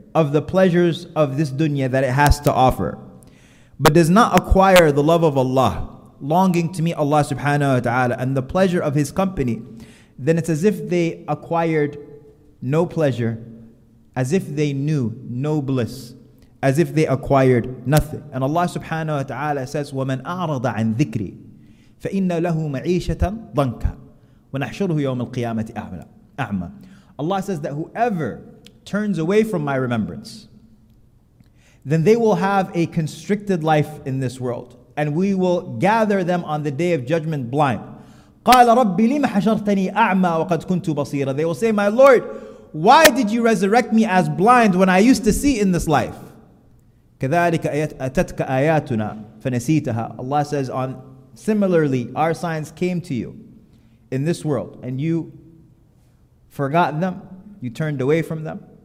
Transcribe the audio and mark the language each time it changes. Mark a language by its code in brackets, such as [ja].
[en] of the pleasures of this dunya that it has to offer, but does not acquire the love of Allah, longing to meet Allah subhanahu wa ta'ala and the pleasure of His company, then it's as if they acquired no pleasure, as if they knew no bliss, as if they acquired nothing. [ar] And Allah subhanahu wa ta'ala says, وَمَنْ أَعْرَضَ عَنْ ذِكْرِي فَإِنَّ لَهُ مَعِيشَةً ضَنْكَ وَنَحْشُرُهُ يَوْمَ الْقِيَامَةِ أَعْمَى. [en] Allah says that whoever turns away from my remembrance, then they will have a constricted life in this world, and we will gather them on the day of judgment blind. [ar] قَالَ رَبِّ لِمَ حَشَرْتَنِي أَعْمَى وَقَدْ كُنْتُ بَصِيرًا. [en] They will say, my Lord, why did you resurrect me as blind when I used to see in this life? [ar] كَذَلِكَ أَتَتْكَ آيَاتُنَا فَنَسِيتَهَا. [en] Allah says, similarly, our signs came to you in this world and you forgot them, you turned away from them.